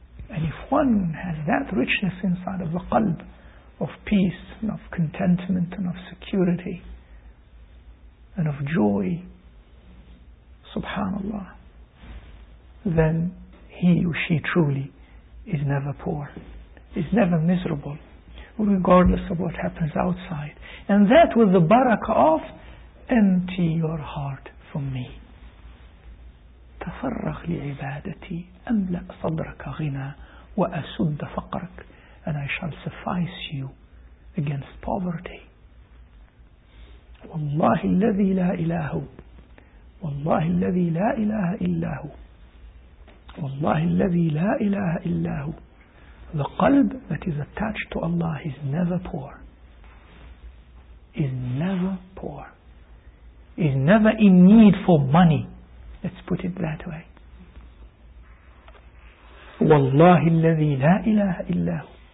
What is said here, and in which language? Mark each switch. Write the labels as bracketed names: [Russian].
[English] And if one has that richness inside of the qalb, of peace and of contentment and of security and of joy, subhanallah, then he or she truly is never poor, is never miserable, regardless of what happens outside. And that with the barakah of, empty your heart from me. [Arabic] تفرغ لعبادتي أملأ صدرك غنى وأسد فقرك. [English] And I shall suffice you against poverty. [Arabic] والله الذي لا إله والله الذي لا إله إلا هو والله الذي لا إله إلا هو. [English] The qalb that is attached to Allah is never poor. Is never poor. Is never in need for money. Let's put it that way. [Arabic] والله الذي لا إله إلا هو.